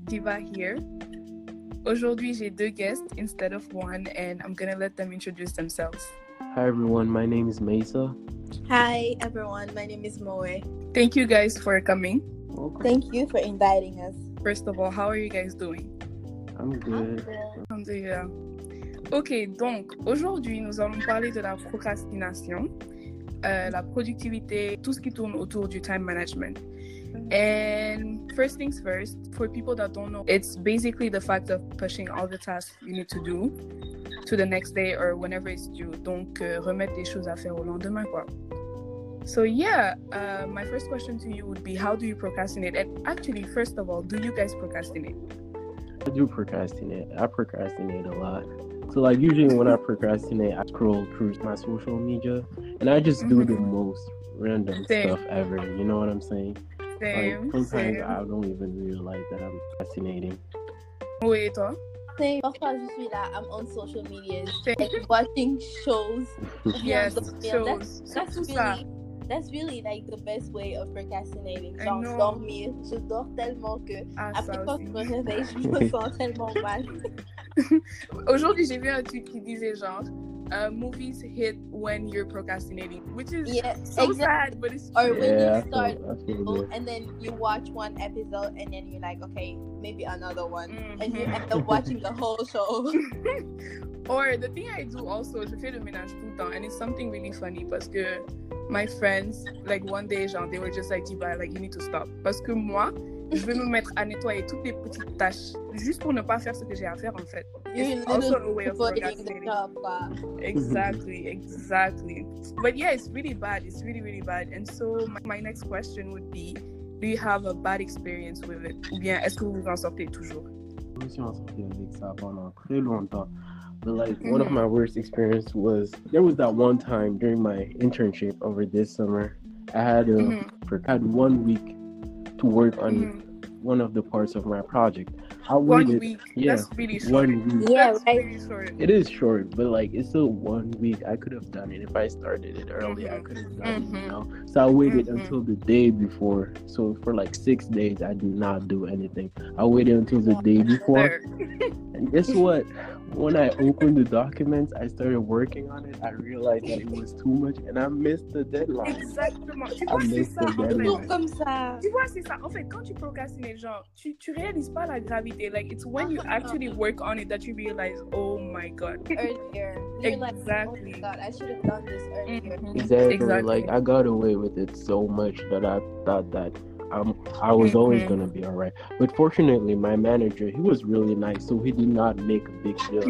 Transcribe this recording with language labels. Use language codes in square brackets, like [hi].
[en] Diva here. [fr] Aujourd'hui, j'ai deux [en] guests instead of one, and I'm gonna let them introduce themselves. Hi everyone, my name is Mesa. Hi everyone, my name is Moe. Thank you guys for coming. Welcome. Thank you for inviting us. First of all, how are you guys doing? I'm good. [ar] Alhamdulillah. [fr] Ok, donc aujourd'hui, nous allons parler de la procrastination, la productivité, tout ce qui tourne autour du [en] time management. And first things first, for people that don't know, it's basically the fact of pushing all the tasks you need to do to the next day or whenever it's due. [fr] Donc, remettre des choses à faire au lendemain, quoi. [en] So yeah, my first question to you would be, how do you procrastinate? And actually, first of all, do you guys procrastinate? I do procrastinate. I procrastinate a lot. So like, usually when I procrastinate, I scroll through my social media and I just do the most random stuff ever. You know what I'm saying? Sometimes I don't even realize that I'm fascinating. [fr] Oui, et toi? [en] Same. [fr] Parfois, je suis là, [en] I'm on social media. Same. Like, watching shows. Yes, shows. That's really, like, the best way of procrastinating. [fr] Genre, [en] I know. [fr] Dormir. Je dors tellement que... Ah, après, quand je me réveille, je me sens tellement mal. Aujourd'hui, j'ai vu un tweet qui disait, genre... [en] movies hit when you're procrastinating, which is sad, but it's true. Or when you start, and then you watch one episode, and then you're like, okay, maybe another one, and you end up watching the whole show. Or the thing I do also, [fr] je fais le ménage tout le temps, [en] and it's something really funny [fr] parce que [en] my friends, like one day, genre, they were just like, Diva, like you need to stop, [fr] parce que moi. Je vais me mettre à nettoyer toutes les petites tâches juste pour ne pas faire ce que j'ai à faire en fait. [en] It's also a way of procrastinating. Exactly. But yeah, it's really bad. It's really, really bad. And so my next question would be, do you have a bad experience with it? [fr] Ou bien est-ce que vous en sortez toujours? Je me suis en sorti avec ça pendant très longtemps. [en] But like one of my worst experiences was there was that one time during my internship over this summer, I had had 1 week. To work on one of the parts of my project. That's really short. It is short, but like it's still 1 week. I could have done it if I started it early. I could have done it, you know. So I waited until the day before. So for like 6 days, I did not do anything. I waited until the day before. And guess what? When I opened the documents, I started working on it. I realized that it was too much and I missed the deadline. Exactly. I missed the deadline. [fr] Tout comme ça. Tu vois, c'est ça. En fait, quand tu procrastines, genre, tu réalises pas la gravité. [en] Like, it's when you actually work on it that you realize, oh my God. Earlier. Exactly. Like, oh my God, I should have done this earlier. Mm-hmm. Exactly. Like, I got away with it so much that I thought that I was always going to be all right. But fortunately, my manager, he was really nice, so he did not make a big deal